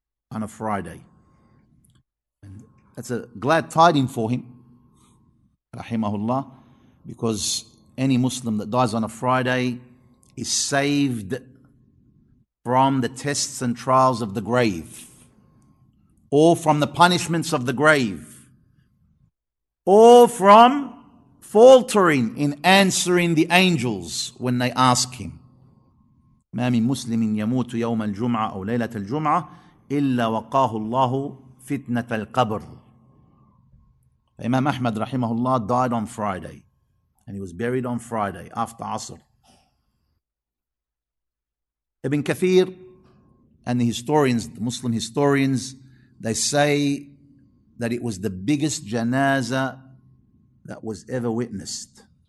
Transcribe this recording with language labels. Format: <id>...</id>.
<en>And that's a glad tiding for him, rahimahullah, because any Muslim that dies on a Friday is saved from the tests and trials of the grave, or from the punishments of the grave, or from faltering in answering the angels when they ask him.</en> <ar>ما من مسلم يموت يوم الجمعة أو ليلة الجمعة إلا وقاه الله فتنة القبر.</ar> <en>Imam Ahmad rahimahullah died on Friday, and he was buried on Friday after Asr. Ibn Kathir and the historians, the Muslim historians, they say that it was the biggest janazah that was ever witnessed.</en>